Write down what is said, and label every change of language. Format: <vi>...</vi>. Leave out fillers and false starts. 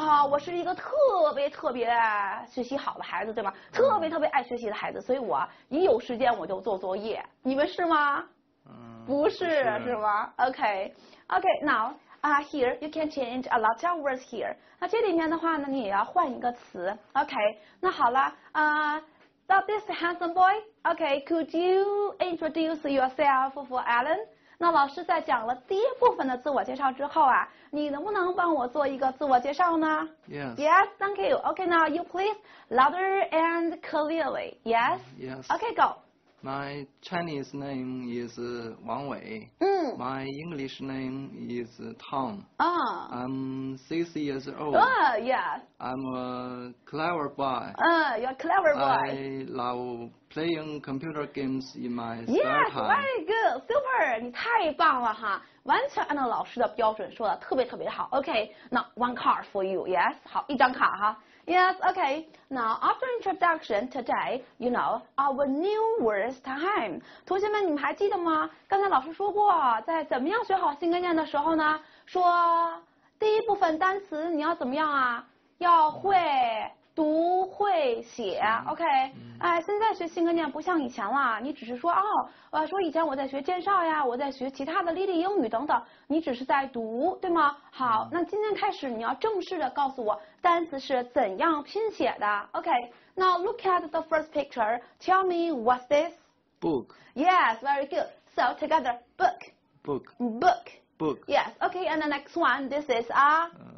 <zh>我是一个特别特别学习好的孩子，对吗？特别特别爱学习的孩子，所以我一有时间我就做作业。你们是吗？不是，是吗 ？Okay. Okay.</zh> <en>Now, here you can change a lot of words here.</en> <zh>那这里面的话呢，你也要换一个词。</zh> <en>Okay.</en> <zh>那好了，</zh> <en>Now this handsome boy, okay, could you introduce yourself for Alan?</en> <zh>那老师在讲了第一部分的自我介绍之后啊，你能不能帮我做一个自我介绍呢</zh> <en>？Yes. Yes, thank you. Okay, now you please louder and clearly. Yes. Yes. Okay, go. My Chinese name is Wang Wei. My English name is Tom. I'm 6 years old. I'm a clever boy. You're a clever boy. I love playing computer games in my spare time. Yes, very good. Super.</en> <zh>你太棒了哈！完全按照老师的标准说的，特别特别好。</zh> <en>Okay, now one card for you. Yes.</en> <zh>好，一张卡哈。</zh> <en>Yes, okay. Now, after introduction today, you know, our new words time.</en> <zh>同学们你们还记得吗刚才老师说过在怎么样学好新概念的时候呢说第一部分单词你要怎么样啊要会读会写 okay? 现在学新概念不像以前了你只是说说以前我在学介绍呀我在学其他的例例英语等等你只是在读对吗好那今天开始你要正式的告诉我单词是怎样拼写的 okay?</zh> <en>Now look at the first picture, tell me what's this? Book. Yes, very good. So together, book. Book. Book. Book. Yes, okay, and the next one, this is a...</en>